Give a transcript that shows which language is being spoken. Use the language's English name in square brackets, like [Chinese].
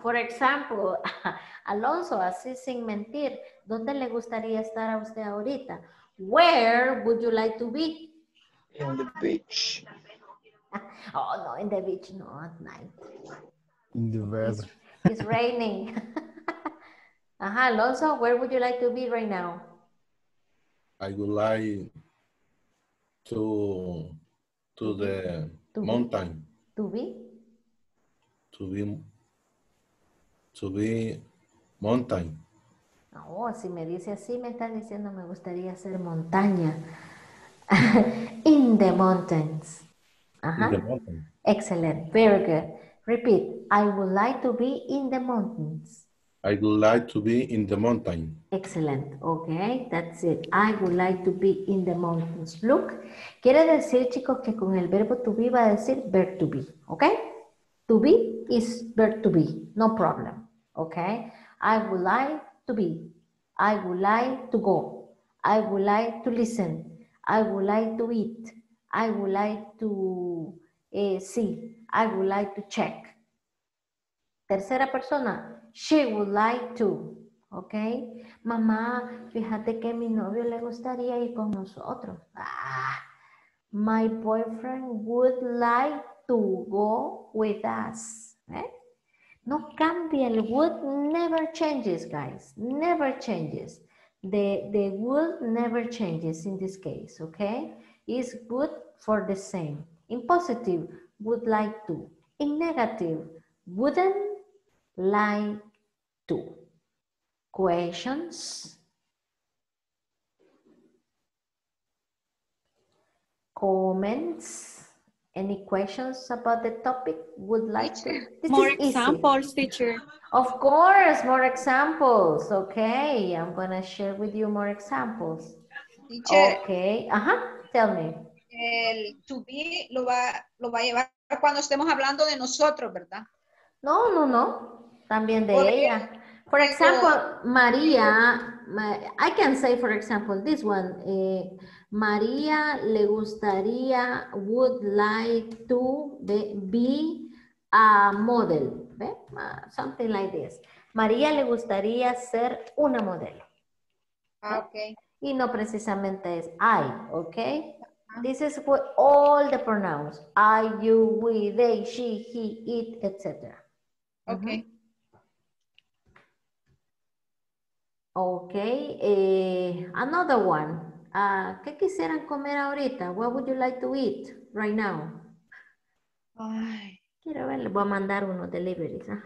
[English] For example, [Spanish] Alonso, así sin mentir, ¿dónde le gustaría estar a usted ahorita? [English] Where would you like to be? In the beach. Oh, no, in the beach, no, at night. In the weather. It's raining. Ajá, Alonso, where would you like to be right now? I would like to the... To mountain. Be? To be? To be mountain. [Spanish] Oh, si me dice así, me están diciendo me gustaría ser montaña. [English] In the mountains. Ajá. In the mountain. Excellent. Very good. Repeat. I would like to be in the mountains. I would like to be in the mountain. Excellent. Okay, that's it. I would like to be in the mountains. [Spanish] Look, quiere decir, chicos, que con el verbo to be va a decir verb to be. [English] Okay? To be is verb to be. No problem. Okay? I would like to be. I would like to go. I would like to listen. I would like to eat. I would like to see. I would like to check. [Spanish] Tercera persona. [English] She would like to. Ok. [Spanish] Mamá, fíjate que a mi novio le gustaría ir con nosotros. [English] Ah, my boyfriend would like to go with us. [Spanish] No cambia el would, [English] never changes, guys. Never changes. The would never changes in this case. Ok. It's good for the same. In positive, would like to. In negative, wouldn't like. Questions? Comments? Any questions about the topic? Would like teacher, this more is examples, easy. Teacher? Of course, more examples. Okay, I'm gonna share with you more examples. Teacher. Okay. Tell me. [Spanish] El to be lo va a llevar cuando estemos hablando de nosotros, ¿verdad? No, no, no. También de ella. [English] For example, María, I can say, for example, this one. María [Spanish] le gustaría, [English] would like to be a model. Something like this. [Spanish] María le gustaría ser una modelo. [English] Okay. [Spanish] Y no precisamente es [English] I, okay? This is what all the pronouns. I, you, we, they, she, he, it, etc. Okay. Mm-hmm. Okay, another one. [Spanish] ¿Qué quisieran comer ahorita? [English] What would you like to eat right now? Ay. [Spanish] Quiero ver, le voy a mandar unos deliveries.